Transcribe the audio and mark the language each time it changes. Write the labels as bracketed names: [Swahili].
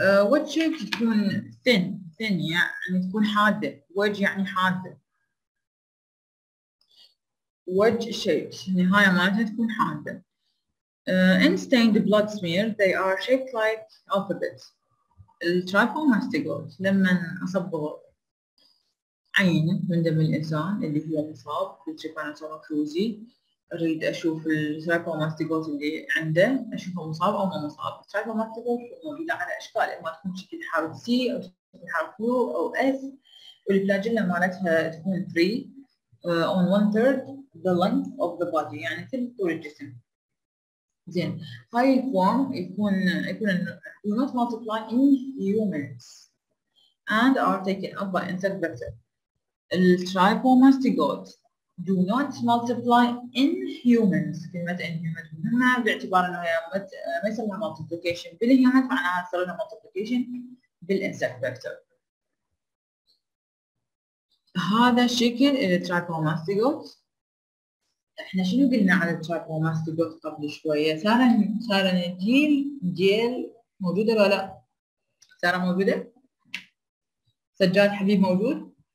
[English] wedge shaped [Arabic] تكون [English] thin. [Arabic] thin يعني تكون حادة. wedge يعني حادة. wedge shaped نهاية مالتها تكون حادة. [English] In stained blood smear, they are shaped like alphabets. [Arabic] Trypomastigote, لما أصب عين من دم الإنسان اللي هو مصاب بالتريبانوسوما كروزي أريد أشوف الترايكوماستيغوت اللي عنده أشوفه مصاب أو ما مصاب. الترايكوماستيغوت موجودة على أشكال إما تكون شكل حرف C أو شكل حرف U أو S والفلاجيلا مالتها تكون [English] 3 on one third the length of the body [Arabic] يعني ثلث طول الجسم. زين هاي الفورم يكون [English] will not multiply in humans and are taken up by insect vector. الترايبومستيغوت do not multiply in humans. [Arabic] كلمة [English] in humans [Arabic] مهمة باعتبار انه ما يصير لها multiplication بالهيومنز معناها صار لها multiplication بالانسكت فيكتور. هذا شكل الترايبومستيغوت. احنا شنو قلنا على الترايكوماستيغوت قبل شوية؟ سارة نجيل جيل موجودة ولا لا؟ سارة موجودة؟ سجاد حبيب موجود؟